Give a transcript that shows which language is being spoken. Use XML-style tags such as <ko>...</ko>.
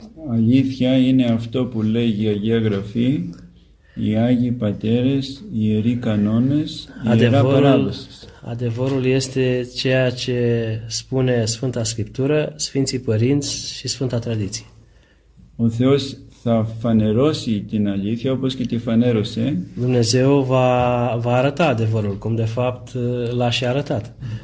<el>Αλήθεια είναι αυτό που λέγει η Αγία Γραφή, οι Άγιοι Πατέρες, οι Ιεροί Κανόνες, η Ιερά Παράδοσης.</el> <ro>Adevărul este ceea ce spune Sfânta Scriptură, Sfinții Părinți și Sfânta Tradiție.</ro> <el>Ο Θεός θα φανερώσει την αλήθεια όπως και τη φανέρωσε.</el> <ro>Dumnezeu va arăta adevărul, cum de fapt l-a și arătat.</ro>